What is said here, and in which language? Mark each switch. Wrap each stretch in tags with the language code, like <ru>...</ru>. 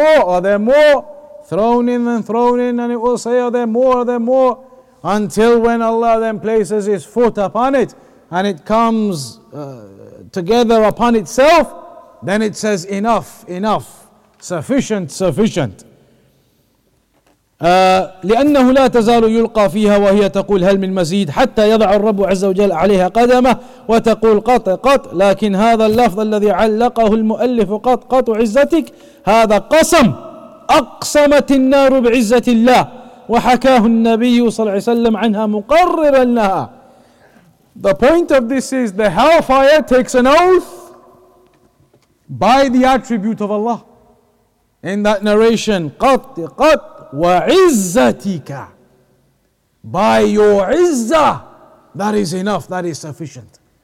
<en>Are there more? Thrown in, and it will say, are there more? Are there more? Until when Allah then places His foot upon it, and it comes together upon itself, then it says, enough, enough, sufficient, sufficient.</en> <ar>لأنه لا تزال يلقى فيها وهي تقول هل من مزيد حتى يضع الرب عز وجل عليها قدمه وتقول قط قط. لكن هذا اللفظ الذي علقه المؤلف قط قط عزتك هذا قسم أقسمت النار بعزة الله وحكاه النبي صلى الله عليه وسلم عنها مقررا لها.</ar> <en>The point of this is the hellfire takes an oath by the attribute of Allah. In that narration,</en> <ar>قط قط وعزتك,</ar> <en>by your izzah, that is enough, that is sufficient.</en>